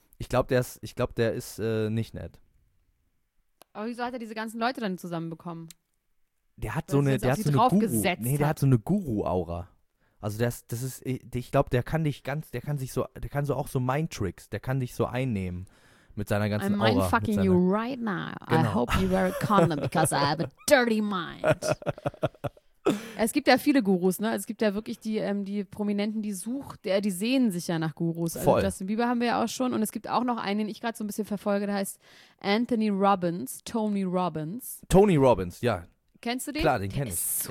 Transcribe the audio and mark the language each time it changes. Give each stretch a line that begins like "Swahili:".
German: Ich glaube, der ist nicht nett. Aber wieso hat er diese ganzen Leute dann zusammenbekommen? Der hat so eine Guru-Aura. Also ich glaube, der kann so auch so Mind-Tricks, der kann sich so einnehmen. Mit seiner ganzen I'm Aura.
English: I'm mindfucking you right now.
German: Genau.
English: I hope you wear a condom because I have a dirty mind.
German: Es gibt ja viele Gurus, ne? Es gibt ja wirklich die Prominenten, die sehen sich ja nach Gurus. Voll. Also Justin Bieber haben wir ja auch schon. Und es gibt auch noch einen, den ich gerade so ein bisschen verfolge, der heißt Anthony Robbins, Tony Robbins. Tony Robbins, ja. Kennst du den? Klar, den kenne ich. Der ist so